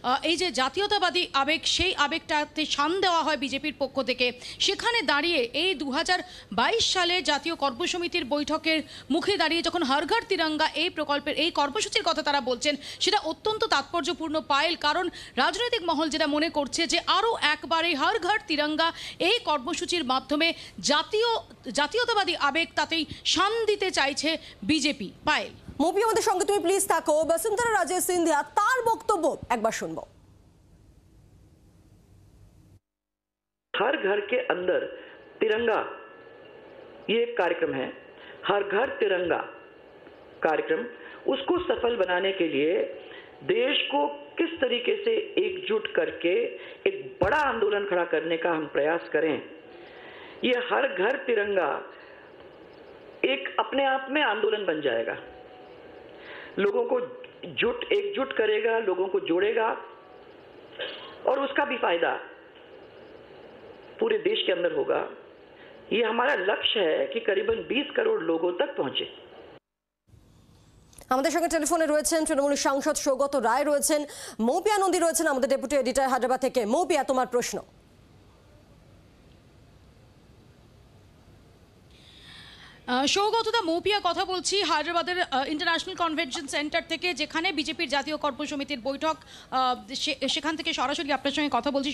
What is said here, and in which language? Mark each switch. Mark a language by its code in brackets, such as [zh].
[bn] এই যে জাতীয়তাবাদী আবেগ সেই আবেগটাতে শান দেওয়া হয় বিজেপির পক্ষ থেকে সেখানে দাঁড়িয়ে এই 2022 সালে জাতীয় কর্মসমিতির বৈঠকের মুখে দাঁড়িয়ে যখন হর ঘর তিরঙ্গা এই প্রকল্পের এই কর্মসূচির কথা তারা বলছেন সেটা অত্যন্ত তাৎপর্যপূর্ণ পায়েল কারণ রাজনৈতিক মহল যেটা মনে করছে যে আরও একবার এই হর ঘর তিরঙ্গা এই কর্মসূচির মাধ্যমে জাতীয়তাবাদী আবেগ তাতেই শান দিতে চাইছে বিজেপি পায়েল মুভি আমাদের সঙ্গে তুমি প্লিজ থাকো বসুন্ধরা রাজে সিন্ধিয়া তার বক্তব্য একবার শুনবো [hi] হর ঘর কে অন্দর তিরঙ্গা ये एक कार्यक्रम है हर घर तिरंगा कार्यक्रम उसको सफल बनाने के लिए देश को किस तरीके से एकजुट करके एक बड़ा बड़ा आंदोलन खड़ा करने का हम प्रयास करें। ये हर घर तिरंगा एक अपने आप में आंदोलन बन जाएगा, लोगों को जुट एकजुट करेगा, लोगों को जोड़ेगा और उसका भी फायदा पूरे देश के अंदर होगा। ये हमारा लक्ष्य है कि करीबन 20 करोड़ लोगों तक पहुंचे। [bn] আমাদের সঙ্গে টেলিফোনে রয়েছেন তৃণমূল সাংসদ সৌগত রায়, রয়েছেন মৌপিয়া নন্দী, রয়েছেন আমাদের ডেপুটি এডিটর হায়দ্রাবাদ থেকে। মৌপিয়া, তোমার প্রশ্ন। সৌগতদা, মৌপিয়া কথা বলছি হায়দ্রাবাদের ইন্টারন্যাশনাল কনভেনশন সেন্টার থেকে, যেখানে বিজেপির জাতীয় কর্মসমিতির বৈঠক, সেখান থেকে সরাসরি আপনার সঙ্গে কথা বলছি।